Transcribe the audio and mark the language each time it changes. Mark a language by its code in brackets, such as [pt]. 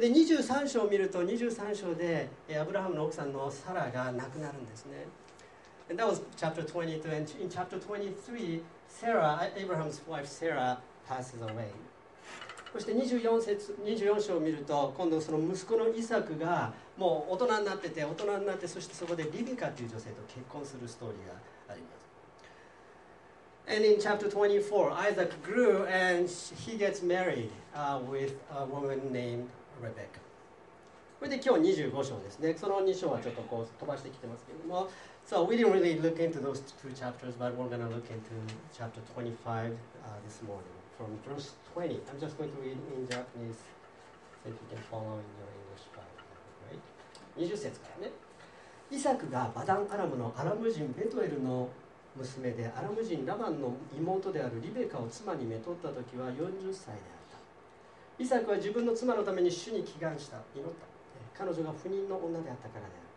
[ja] で23章を見ると23章でアブラハムの奥さんのサラが亡くなるんですね。 [en] And that was chapter 22. And in chapter 23, Sarah, Abraham's wife Sarah, passes away. [ja] そして24章を見ると今度その息子のイサクがもう大人になってて大人になってそしてそこでリビカという女性と結婚するストーリーがあります。 [en] And in chapter 24, Isaac grew and he gets married with a woman named. [ja] Rebecca. これで今日25章ですね。その2章はちょっとこう飛ばしてきてますけども。 [en] So we didn't really look into those two chapters, but we're going to look into chapter 25 this morning from verse 20. I'm just going to read in Japanese so you can follow in your English Bible. Right? [ja] 20節からね。イサクがバダンアラムのアラム人ベトエルの娘でアラム人ラバンの妹であるリベカを妻にめとったときは40歳である。イサクは自分の妻のために主に祈願した、祈った。彼女が不妊の女であったからである。